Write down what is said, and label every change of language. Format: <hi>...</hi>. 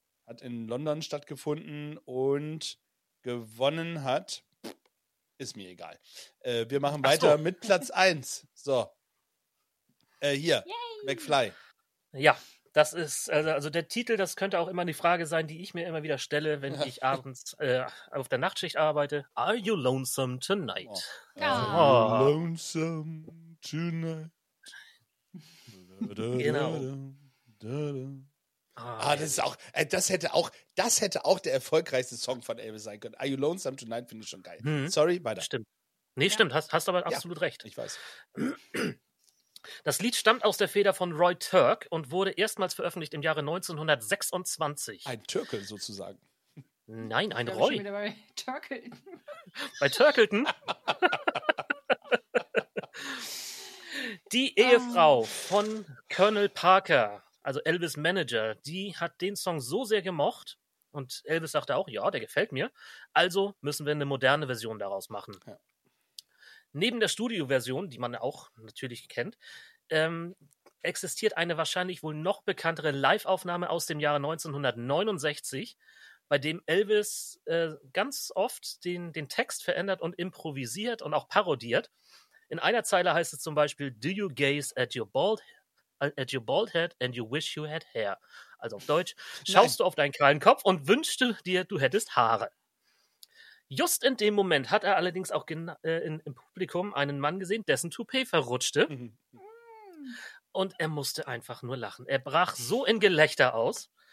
<de>Hat in London stattgefunden und gewonnen hat, ist mir egal. Wir machen weiter mit Platz 1. So, hier, Yay. McFly. Ja, das ist, also der Titel, das könnte auch immer die Frage sein, die ich mir immer wieder stelle, wenn ich abends auf der Nachtschicht arbeite.</de> <en>Are you lonesome tonight? Oh. Oh. Are you lonesome tonight?</en> <de>Genau. Ah, das ist auch, das hätte auch der erfolgreichste Song von Elvis sein können. Are You Lonesome Tonight finde ich schon geil. Mhm. Sorry, weiter. Stimmt. Nee, ja. Stimmt, hast aber absolut ja, recht. Ich weiß. Das Lied stammt aus der Feder von Roy Turk und wurde erstmals veröffentlicht im Jahre 1926. Ein Türkel sozusagen. Nein, ein Roy. Ich bin wieder bei Turkelton. Bei Turkelton? Die Ehefrau von Colonel Parker. Also Elvis' Manager, die hat den Song so sehr gemocht und Elvis sagte auch, ja, der gefällt mir, also müssen wir eine moderne Version daraus machen. Ja. Neben der Studioversion, die man auch natürlich kennt, existiert eine wahrscheinlich wohl noch bekanntere Live-Aufnahme aus dem Jahre 1969, bei dem Elvis ganz oft den Text verändert und improvisiert und auch parodiert. In einer Zeile heißt es zum Beispiel,</de> <en>Do you gaze at your bald head? At your bald head and you wish you had hair.</en> <de>Also auf Deutsch, schaust Nein. du auf deinen kahlen Kopf und wünschst dir, du hättest Haare. Just in dem Moment hat er allerdings auch im Publikum einen Mann gesehen, dessen Toupet verrutschte. Und er musste einfach nur lachen. Er brach so in Gelächter aus.</de>